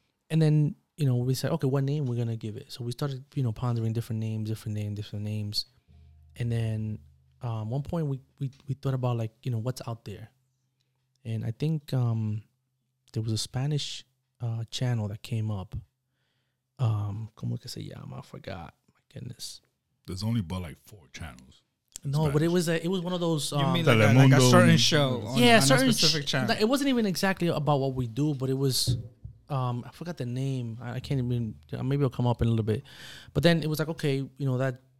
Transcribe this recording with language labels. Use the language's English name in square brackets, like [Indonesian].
[English] And then, you know, we said, okay, what name we're going to give it? So we started, you know, pondering different names. And then... one point we thought about, like, you know, what's out there. And I think there was a Spanish channel that came up. [Spanish] ¿Cómo que se llama? [English] I forgot. My goodness. There's only but like four channels. No, Spanish. But it was a, it was one of those. You mean like a certain show? On a certain specific channel. It wasn't even exactly about what we do, but it was. I forgot the name. I can't even. Maybe it'll come up in a little bit. But then it was like, okay, you know that.